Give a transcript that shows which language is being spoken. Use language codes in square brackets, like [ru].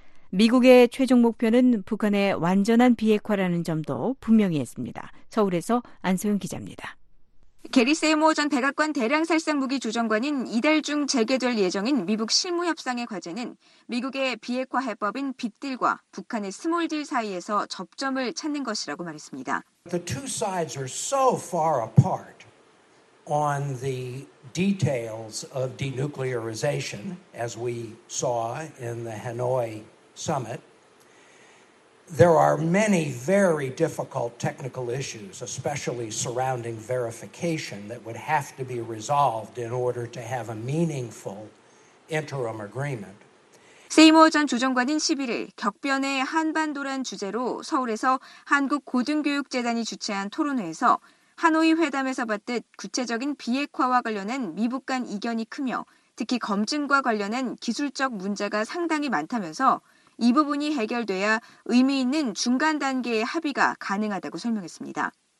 [ko] 미국의 최종 목표는 북한의 완전한 비핵화라는 점도 분명히 했습니다. 서울에서 안소영 기자입니다. 게리 세이모 전 백악관 대량살상무기 주정관인 이달 중 재개될 예정인 미북 실무협상의 과제는 미국의 비핵화 해법인 빅딜과 북한의 스몰딜 사이에서 접점을 찾는 것이라고 말했습니다. [en] The two sides are so far apart on the details of denuclearization as we saw in the Hanoi summit. There are many very difficult technical issues, especially surrounding verification, that would have to be resolved in order to have a meaningful interim agreement. [ko] 세이머 전 주정관은 11일 격변의 한반도란 주제로 서울에서 한국 고등교육재단이 주최한 토론회에서 하노이 회담에서 봤듯 구체적인 비핵화와 관련한 미북 간 이견이 크며 특히 검증과 관련한 기술적 문제가 상당히 많다면서 이 부분이 해결돼야 의미 있는 중간 단계의 합의가 가능하다고 설명했습니다.